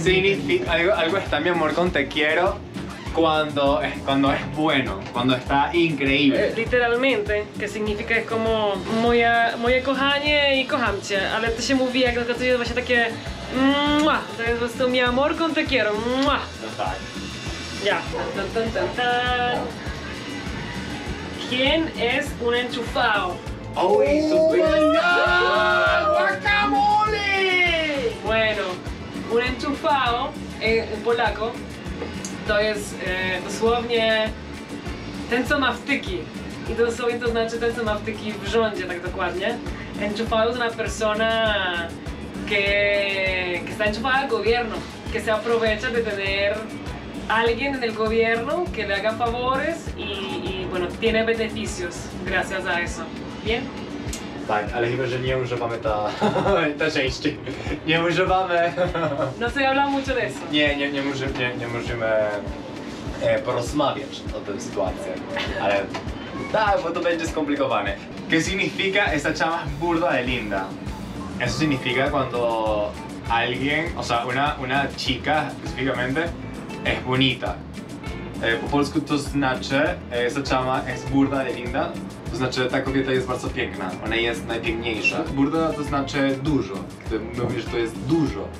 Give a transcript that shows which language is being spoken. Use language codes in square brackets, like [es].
[es] Significa, algo está, mi amor, con te quiero cuando es bueno, cuando está increíble. Literalmente, que significa es como [pl] moje kochanie i kocham cię. Ale to się mówi jak na to jest właśnie takie mua, to jest po prostu [es] mi amor con te quiero. Mua. [pl] No tak. [es] Ja. Tan, tan, tan, tan. ¿Quién es un enchufado? Oh, guacamole. Bueno, un enchufado en polaco [pl] to jest dosłownie ten, co ma wtyki. I dosłownie to znaczy ten, co ma wtyki w rządzie, tak dokładnie. [es] Enchufado es una persona que está enchufada al gobierno, que se aprovecha de tener alguien en el gobierno que le haga favores y bueno, tiene beneficios gracias a eso. ¿Bien? [pl] Tak, ale chyba, że nie używamy ta części. Nie używamy. [es] No se habla mucho de eso. [pl] Nie możemy porozmawiać o tym sytuacji. Ale tak, bo to będzie skomplikowane. [es] ¿Qué significa esta chama burda de linda? Eso significa cuando alguien, o sea, una chica específicamente, es bonita. [pl] Po polsku to znaczy, [es] esa chama es burda de linda. [pl] To znaczy, ta kobieta jest bardzo piękna, ona jest najpiękniejsza. Burda to znaczy dużo, gdy mówisz, że to jest dużo.